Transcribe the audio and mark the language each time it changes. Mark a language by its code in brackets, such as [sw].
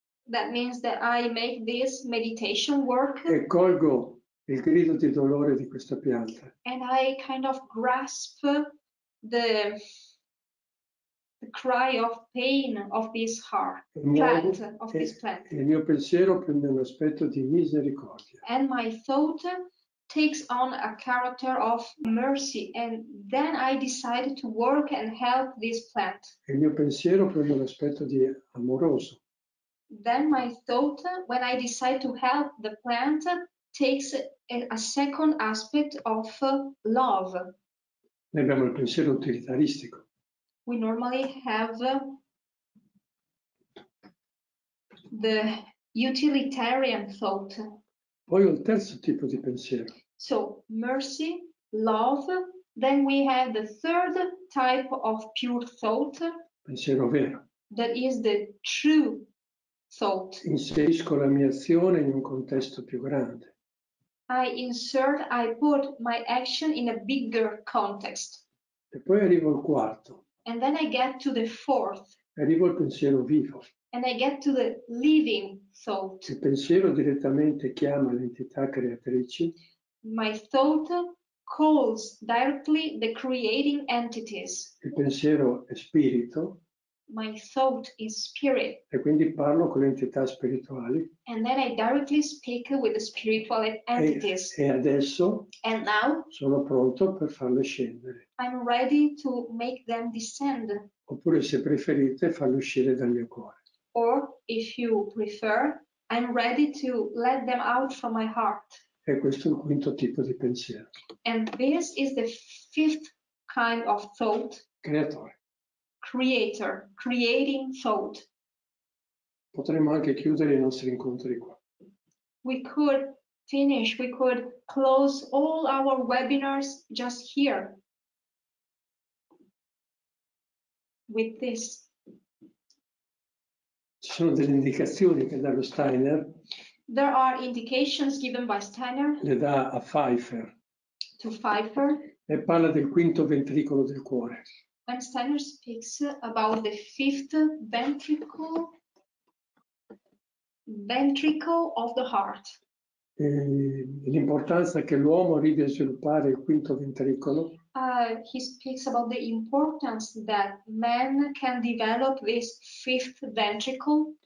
[en] That means that I make this meditation work. [it] E colgo il grido di dolore di questa pianta. [en] And I kind of grasp the cry of pain of this heart, plant, of this plant. [it] Il mio pensiero prende un aspetto di misericordia. [en] And my thought takes on a character of mercy, and then I decided to work and help this plant. [it] Il mio pensiero prende l'aspetto di amoroso. [en] Then my thought, when I decide to help the plant, takes a second aspect of love. [it] Noi abbiamo il pensiero utilitaristico. [en] We normally have the utilitarian thought. [it] Poi ho il terzo tipo di pensiero. [en] So, mercy, love, then we have the third type of pure thought. [it] Pensiero vero. [en] That is the true thought. [it] Inserisco la mia azione in un contesto più grande. [en] I put my action in a bigger context. [it] E poi arrivo al quarto. [en] And then I get to the fourth. [it] Arrivo al pensiero vivo. [en] And I get to the living thought. [it] Il pensiero direttamente chiama l'entità creatrici. [en] My thought calls directly the creating entities. [it] Il pensiero è spirito. [en] My thought is spirit. [it] E quindi parlo con le entità spirituali. [en] And then I directly speak with the spiritual entities. [it] E adesso [en] and now, [it] sono pronto per farle scendere. [en] I'm ready to make them descend. [it] Oppure se preferite farle uscire dal mio cuore. [en] Or if you prefer, I'm ready to let them out from my heart. [it] E questo è il quinto tipo di pensiero. [en] And this is the fifth kind of thought. [it] Creatore. [en] Creator, creating thought. [it] Potremmo anche chiudere i nostri incontri qua. [en] We could close all our webinars just here. With this. [it] Ci sono delle indicazioni che dà lo Steiner. [en] There are indications given by Steiner. [it] Le dà a Pfeiffer. [en] To Pfeiffer. [it] E parla del quinto ventricolo del cuore. [en] When Steiner speaks about the fifth ventricle of the heart. [it] E l'importanza che l'uomo arrivi a sviluppare il quinto ventricolo. [en] He speaks about the importance that man can develop this fifth ventricle.